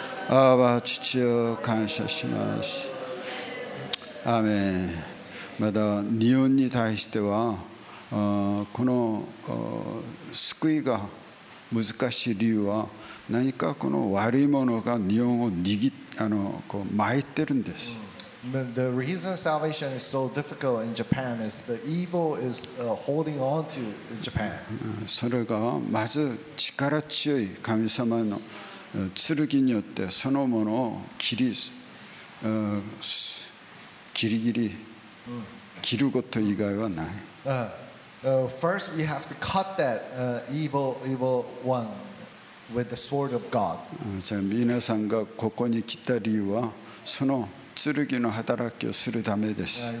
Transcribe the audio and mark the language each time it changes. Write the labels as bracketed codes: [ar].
[ja] アーバー父よ、感謝します。アーメン。まだ日本に対してはこの救いが難しい理由は何かこの悪いものが日本を握こう巻いてるんです。 [en] The reason salvation is so difficult in Japan is the evil is holding on to Japan. [ja] それがまず力強い神様の剣によってそのものを切ること以外はない。 [en] First, we have to cut that evil one with the sword of God. [ja] 皆さんがここに来た理由はその剣の働きをするためです。